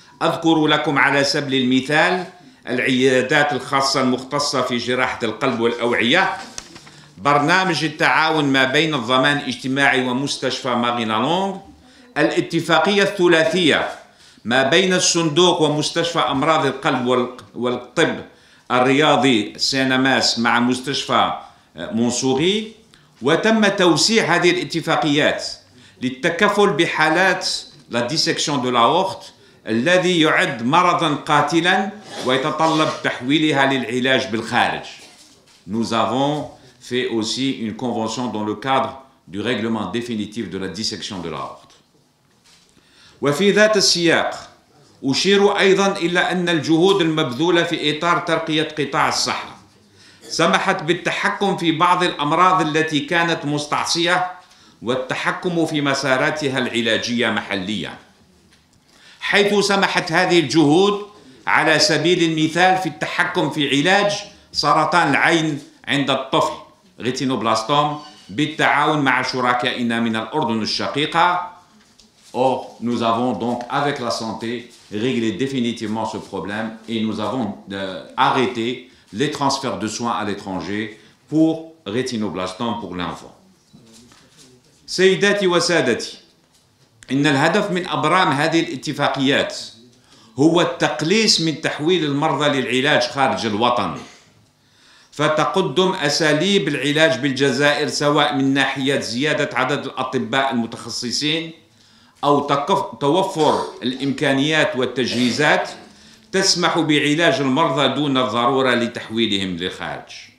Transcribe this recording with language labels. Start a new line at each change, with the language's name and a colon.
Arabic: أذكر لكم على سبيل المثال العيادات الخاصة المختصة في جراحة القلب والأوعية، برنامج التعاون ما بين الضمان الاجتماعي ومستشفى ماغينالونغ، الاتفاقية الثلاثية ما بين الصندوق ومستشفى أمراض القلب والطب الرياضي سيناماس مع مستشفى منصوري. وتم توسيع هذه الاتفاقيات للتكفل بحالات لا ديسكسيون دو لاورت الذي يعد مرضا قاتلا ويتطلب تحويلها للعلاج بالخارج.
French: Nous avons fait aussi une convention dans le cadre du règlement définitif de la dissection de l'aorte.
Arabic: وفي ذات السياق أشير أيضا إلى أن الجهود المبذولة في إطار ترقية قطاع الصحة سمحت بالتحكم في بعض الأمراض التي كانت مستعصية والتحكم في مساراتها العلاجية محليا، حيث سمحت هذه الجهود على سبيل المثال في التحكم في علاج سرطان العين عند الطفل ريتينوبلاستوم بالتعاون مع شركائنا من الأردن الشقيقة.
French: Or, nous avons donc avec la santé réglé définitivement ce problème et nous avons arrêté les transferts de soins à l'étranger pour rétinoblastome pour l'enfant.
Arabic: سيداتي وسادتي، إن الهدف من أبرام هذه الاتفاقيات هو التقليص من تحويل المرضى للعلاج خارج الوطن. فتقدم أساليب العلاج بالجزائر سواء من ناحية زيادة عدد الأطباء المتخصصين أو توفر الإمكانيات والتجهيزات تسمح بعلاج المرضى دون الضرورة لتحويلهم للخارج.